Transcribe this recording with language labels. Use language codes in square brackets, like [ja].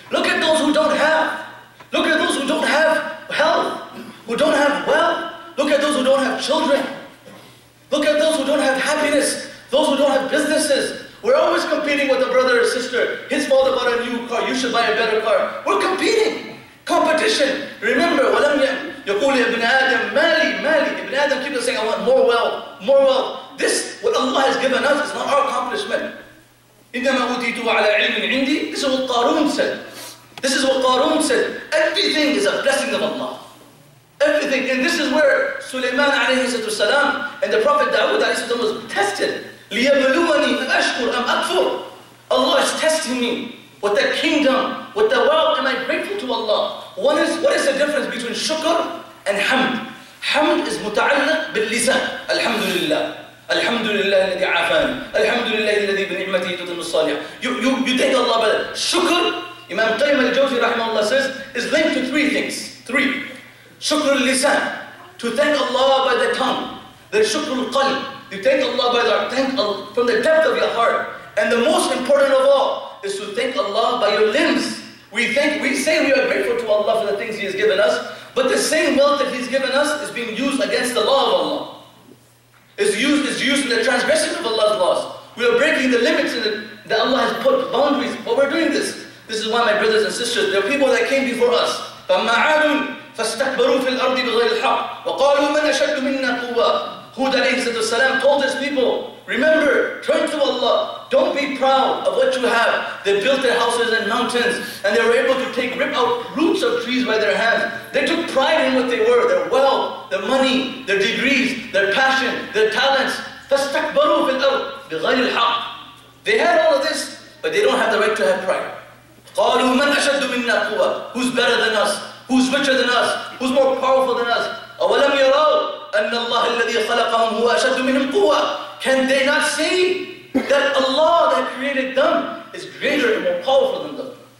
[en] Look at those who don't have. Look at those who don't have health, who don't have wealth. Look at those who don't have children. Look at those who don't have happiness, those who don't have businesses. We're always competing with a brother or sister. His father bought a new car, you should buy a better car. We're competing. Competition. Remember, [ar] وَلَمْ يَقُولِ إِبْنَ آدَمْ مَالِي مَالِي. [en] Ibn Adam keeps on saying, I want more wealth, more wealth. This, what Allah has given us, is not our accomplishment. [ar] إِنَّمَا أُوتِيتُ عَلَى عِلْمٍ عِنْدِي. [en] This is what Qarun said. This is what Qarun said. Everything is a blessing of Allah. Everything. And this is where Sulaiman alayhi salam and the Prophet Dawood alayhi salam was tested. [ar] لِيَبْلُوَنِي أَشْكُرْ أَمْ أَكْفُرْ. [en] Allah is testing me with that kingdom, with that wealth. Am I grateful to Allah? What is the difference between shukr and hamd? Hamd is [ar] متعلق باللسان. Alhamdulillah. Alhamdulillah الذي عافاني. Alhamdulillah الذي بنعمته تتم الصالح. [en] You thank Allah. But shukr, Imam Qayyim al-Jawzi rahimahullah says, is linked to three things. Three. Shukr al-lisan, to thank Allah by the tongue. The shukr al-qalb, to thank Allah by the heart, thank Allah from the depth of your heart. And the most important of all is to thank Allah by your limbs. We say we are grateful to Allah for the things He has given us, but the same wealth that He's given us is being used against the law of Allah. It's used in the transgression of Allah's laws. We are breaking the limits that Allah has put, boundaries, but we're doing this. This is why, my brothers and sisters, there are people that came before us. [ar] فاستكبروا في الأرض بغير الحق وقالوا من أشد منا قوة. [en] Hud alayhi salam told his people, remember, turn to Allah, don't be proud of what you have. They built their houses and mountains, and they were able to rip out roots of trees by their hands. They took pride in what they were, their wealth, their money, their degrees, their passion, their talents. [ar] فاستكبروا في الأرض بغير الحق. [en] They had all of this, but they don't have the right to have pride. [ar] قالوا من أشد منا قوة. [en] Who's better than us? Who's richer than us? Who's more powerful than us? [ar] أَوَلَمْ يَرَوْا أَنَّ اللَّهَ الَّذِي خَلَقَهُمْ هُوَ أَشَدُّ مِنْهُمْ قُوَّةً. [en] Can they not see that Allah that created them is greater and more powerful than them?